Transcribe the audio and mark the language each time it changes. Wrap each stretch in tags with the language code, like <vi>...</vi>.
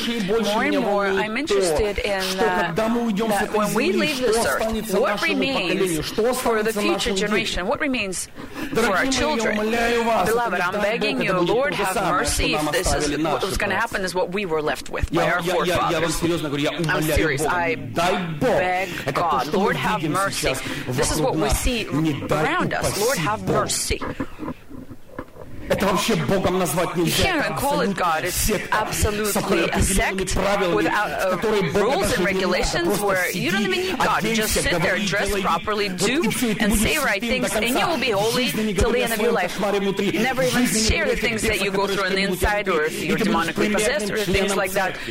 <en>More and more, I'm interested in that when we leave this earth, what remains for the future generation? What remains for our children? Beloved, I'm begging you, Lord, have mercy if this is what's going to happen, is what we were left with by our forefathers.</en> <ru>я вам серьезно говорю, я умоляю Бога, дай Бог. Это то, что мы видим сейчас вокруг нас. Не дай упаси Бог. Это вообще Богом назвать нельзя.</ru> <en>You can't call it God. It's absolutely a sect without rules and regulations where you don't even need God. Just sit there, dress properly, do and say right things, and you will be holy till the end of your life. Never even share the things that you go through on the inside, or if you're demonically possessed, or things like that.</en>